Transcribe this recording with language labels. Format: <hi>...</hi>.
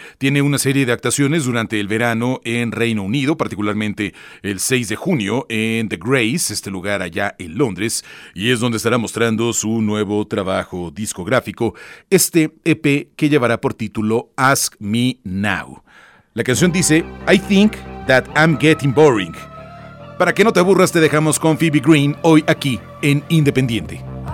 <es>Tiene una serie de actuaciones durante el verano en Reino Unido, particularmente el 6 de junio en The Grace, este lugar allá en Londres, y es donde estará mostrando su nuevo trabajo discográfico, este EP que llevará por título Ask Me Now. La canción dice,</es> <en>I think that I'm getting boring.</en> <es>Para que no te aburras, te dejamos con Phoebe Green hoy aquí en Independiente.</es>